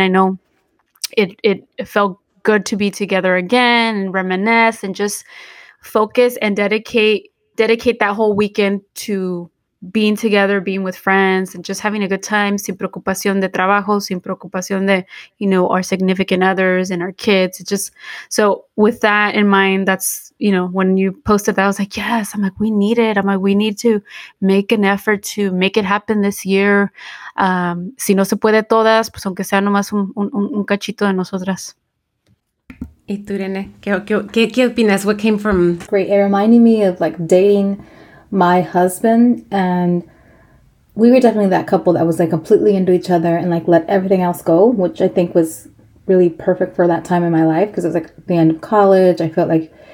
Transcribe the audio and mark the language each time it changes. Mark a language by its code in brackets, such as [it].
[en] And I know it felt good to be together again and reminisce and just focus and dedicate that whole weekend to being together, being with friends and just having a good time, [es] sin preocupación de trabajo, sin preocupación de, [en] you know, our significant others and our kids. It just, so with that in mind, that's, you know, when you posted that, I was like, yes, I'm like, we need it. I'm like, we need to make an effort to make it happen this year. [es] Si no se puede todas, pues aunque sea nomás un cachito de nosotras. ¿Y tú, Irene? ¿Qué opinas? [en] What came from? Great. It reminded me of like dating my husband, and we were definitely that couple that was like completely into each other and like let everything else go, which I think was really perfect for that time in my life, because it was like the end of college. I felt like